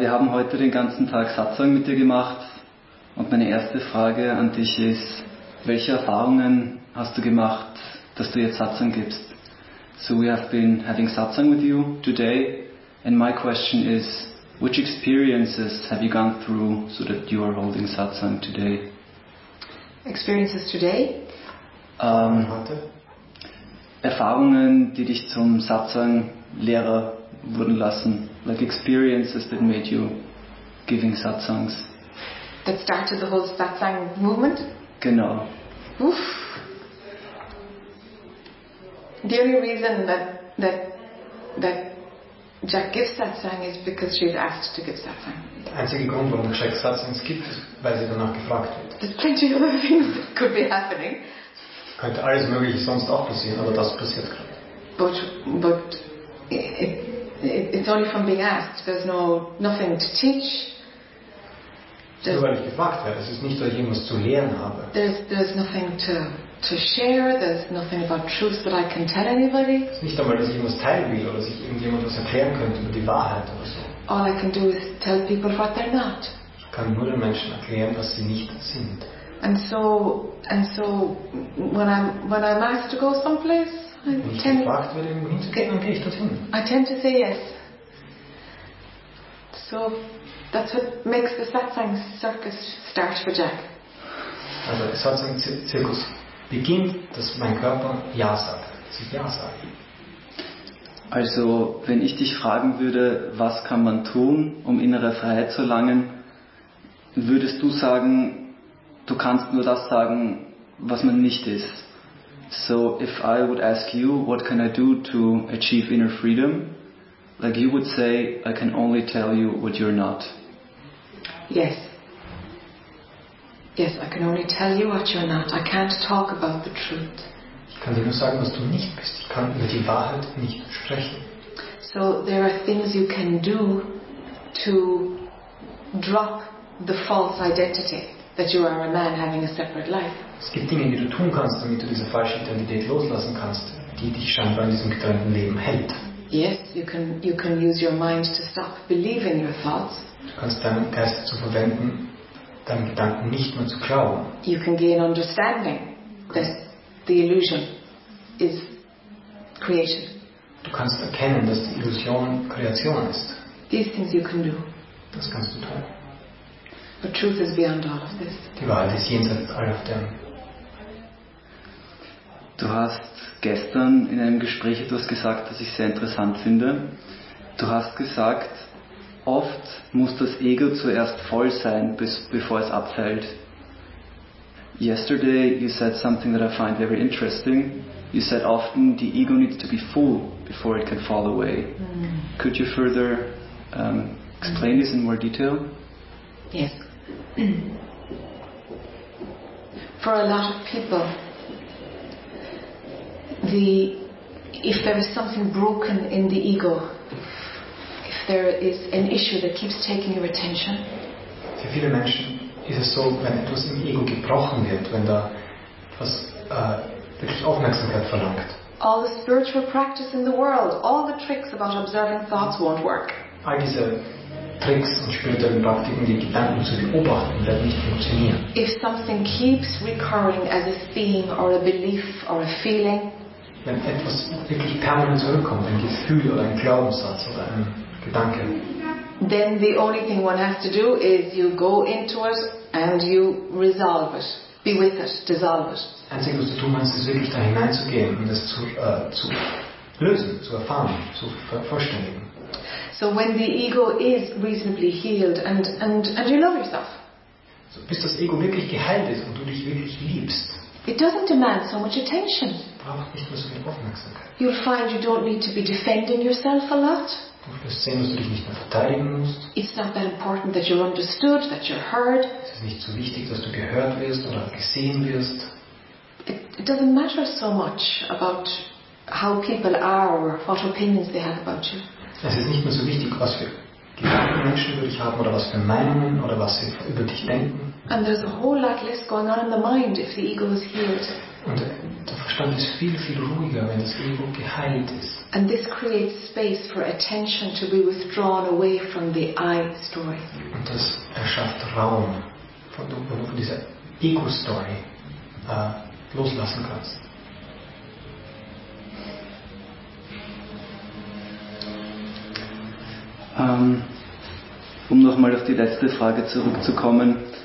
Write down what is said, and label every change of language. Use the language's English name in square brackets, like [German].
[German] Wir haben heute den ganzen Tag Satsang mit dir gemacht. Und meine erste Frage an dich ist, welche Erfahrungen hast du gemacht, dass du jetzt Satsang gibst? [English] So we have been having Satsang with you today. And my question is, which experiences have you gone through so that you are holding Satsang today? Experiences today? [German] Erfahrungen, die dich zum Satsang-Lehrer wurden lassen, [English] like experiences that made you giving satsangs. That started the whole satsang movement? [German] Genau. Oof. [English] The only reason that Jack gives satsang is because she's asked to give satsang. [German] Der einzige Grund, warum Jack Satsangs gibt, ist, weil sie danach gefragt wird. [English] There's plenty of other things that could be happening. [German] Könnte alles Mögliche sonst auch passieren, aber das passiert gerade. [English] But it's only from being asked. There's nothing to teach. [German] Nur weil ich gefragt werde, es ist nicht, dass ich irgendwas zu lehren habe. [English] There's nothing to share. There's nothing about truth that I can tell anybody. [German] Es ist nicht einmal, dass ich irgendwas teilen will oder sich irgendjemand was erklären könnte über die Wahrheit oder so. [English] All I can do is tell people what they're not. [German] Ich kann nur den Menschen erklären, was sie nicht sind. [English] And so when I'm asked to go someplace, I tend to say yes. So that's what makes the satsang circus start for Jack. [German] Also der Satsang Zirkus beginnt, dass mein Körper ja sagt, dass ich ja sage. Also wenn ich dich fragen würde, was kann man tun, um innere Freiheit zu erlangen, würdest du sagen, du kannst nur das sagen, was man nicht ist. [English] So if I would ask you, what can I do to achieve inner freedom? Like you would say, I can only tell you what you're not. Yes. Yes, I can only tell you what you're not. I can't talk about the truth. [German] Ich kann dir nur sagen, was du nicht bist. Ich kann über die Wahrheit nicht sprechen. [English] So there are things you can do to drop the false identity that you are a man having a separate life. [German] Es gibt Dinge, die du tun kannst, damit du diese falsche Identität loslassen kannst, die dich scheinbar in diesem getrennten Leben hält. [English] Yes, you can use your mind to stop believing your thoughts. [German] Du kannst deinen Geist dazu verwenden, deinen Gedanken nicht mehr zu glauben. [English] You can gain understanding that the illusion is creation. [German] Du kannst erkennen, dass die Illusion Kreation ist. [English] These things you can do. [German] Das kannst du tun. [English] But truth is beyond all of this. [German] Die Wahrheit ist jenseits [English] all of them. [German] Du hast gestern in einem Gespräch etwas gesagt, das ich sehr interessant finde. Du hast gesagt, oft muss das Ego zuerst voll sein, bevor es abfällt. [English] Yesterday you said something that I find very interesting. You said often the ego needs to be full before it can fall away. Mm. Could you further explain this in more detail? Yes. For a lot of people, if there is something broken in the ego, if there is an issue that keeps taking your attention, [German] für viele Menschen ist es so, wenn etwas im Ego gebrochen wird, wenn da etwas wirklich Aufmerksamkeit verlangt. [English] All the spiritual practice in the world, all the tricks about observing thoughts won't work. [German] All diese Tricks und spirituellen Praktiken, die Gedanken zu beobachten, werden nicht funktionieren. [English] If something keeps recurring as a theme or a belief or a feeling, [German] wenn etwas wirklich permanent zurückkommt, ein Gefühl oder ein Glaubenssatz oder ein Gedanke, [English] then the only thing one has to do is you go into it and you resolve it, be with it, dissolve it. [German] Einzige, was du tun kannst, ist wirklich da hineinzugehen und es zu lösen, zu erfahren, zu vervollständigen. [English] So when the ego is reasonably healed and you love yourself. [German] So bis das Ego wirklich geheilt ist und du dich wirklich liebst. [English] It doesn't demand so much attention. [German] Braucht nicht mehr so viel Aufmerksamkeit. [English] You'll find you don't need to be defending yourself a lot. [German] Du wirst sehen, dass du dich nicht mehr verteidigen musst. [English] It's not that important that you're understood, that you're heard. [German] Es ist nicht so wichtig, dass du gehört wirst oder gesehen wirst. [English] It doesn't matter so much about how people are or what opinions they have about you. [German] Es ist nicht mehr so wichtig, was für Gedanken Menschen über dich haben oder was für Meinungen oder was sie über dich denken. [English] And there's a whole lot less going on in the mind if the ego is healed. [German] Und da Verstand ist viel, viel ruhiger, wenn das Ego geheilt ist. And this creates space for attention to be withdrawn away from the I story. Und das erschafft Raum, wo du von dieser Ego-Story loslassen kannst. Um nochmal auf die letzte Frage zurückzukommen.